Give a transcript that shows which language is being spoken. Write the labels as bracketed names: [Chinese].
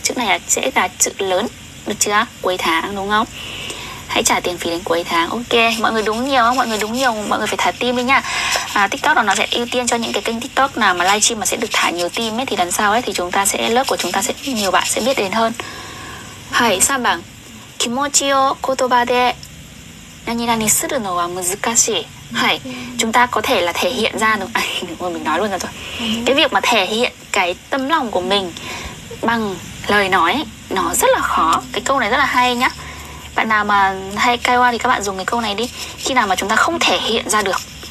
[Vietnamese] Chữ này là sẽ là chữ lớn. Được chưa? Cuối tháng đúng không? Hãy trả tiền phí đến cuối tháng. Ok. Mọi người đúng nhiều không? Mọi người đúng nhiều. Mọi người phải thả tim đi nha. À, TikTok đó nó sẽ ưu tiên cho những cái kênh TikTok nào mà livestream mà sẽ được thả nhiều tim ấy. Thì lần sau ấy thì chúng ta sẽ, lớp của chúng ta sẽ nhiều bạn sẽ biết đến hơn. Hãy sao bằng [Japanese] 気持ちを言葉で何々するのは難しい。はい。 [Vietnamese] chúng ta có thể là thể hiện ra được. Ôi, mình nói luôn rồi. Cái việc mà thể hiện cái tâm lòng của mình bằng lời nói nó rất là khó. Cái câu này rất là hay nhá. Bạn nào mà hay kaiwa thì các bạn dùng cái câu này đi. Khi nào mà chúng ta không thể hiện ra được.